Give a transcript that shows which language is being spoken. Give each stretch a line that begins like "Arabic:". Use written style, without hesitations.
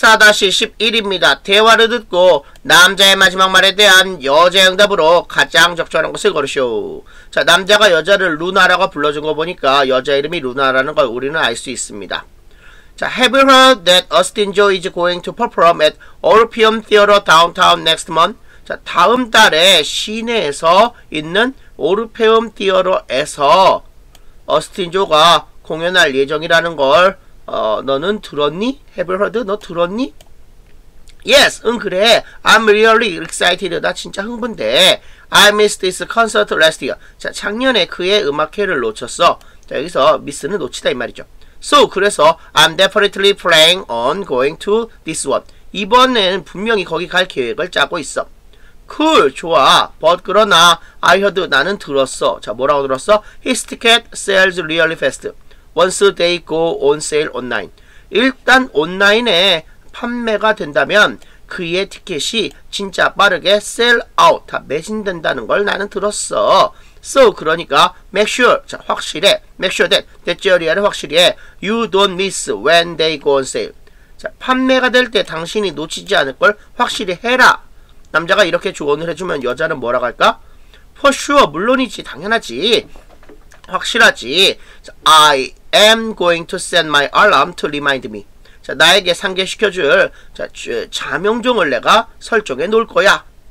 Korean: 14-11입니다. 대화를 듣고 남자의 마지막 말에 대한 여자의 응답으로 가장 적절한 것을 고르시오. 자, 남자가 여자를 루나라고 불러준 거 보니까 여자 이름이 루나라는 걸 우리는 알 수 있습니다.
English: 자, Have you heard that Austin Joe is going to perform at Orpheum Theater downtown next month?
Korean: 자, 다음 달에 시내에서 있는 오르페움 티어로에서 어스틴 조가 공연할 예정이라는 걸 너는 들었니?
English: Have you heard?
Korean: 너 들었니?
English: Yes,
Korean: 응 그래.
English: I'm really excited.
Korean: 나 진짜 흥분돼.
English: I missed this concert last year.
Korean: 자, 작년에 그의 음악회를 놓쳤어. 자, 여기서 미스는 놓치다 이 말이죠.
English: So,
Korean: 그래서
English: I'm definitely planning on going to this one.
Korean: 이번에는 분명히 거기 갈 계획을 짜고 있어. Cool, 좋아. But 그러나
English: I heard,
Korean: 나는 들었어. 자, 뭐라고 들었어?
English: His ticket sells really fast. Once they go on sale online.
Korean: 일단 온라인에 판매가 된다면 그의 티켓이 진짜 빠르게
English: sell out,
Korean: 다 매진된다는 걸 나는 들었어.
English: So,
Korean: 그러니까
English: make sure,
Korean: 자, 확실해.
English: Make sure that, that area를 확실히 해. You don't miss when they go on sale.
Korean: 자, 판매가 될 때 당신이 놓치지 않을 걸 확실히 해라. 남자가 이렇게 조언을 해주면 여자는 뭐라고 할까?
English: For sure,
Korean: 물론이지, 당연하지, 확실하지.
English: I am going to send my alarm to remind me.
Korean: 자, 나에게 상기시켜줄 자명종을 내가 설정해 놓을 거야.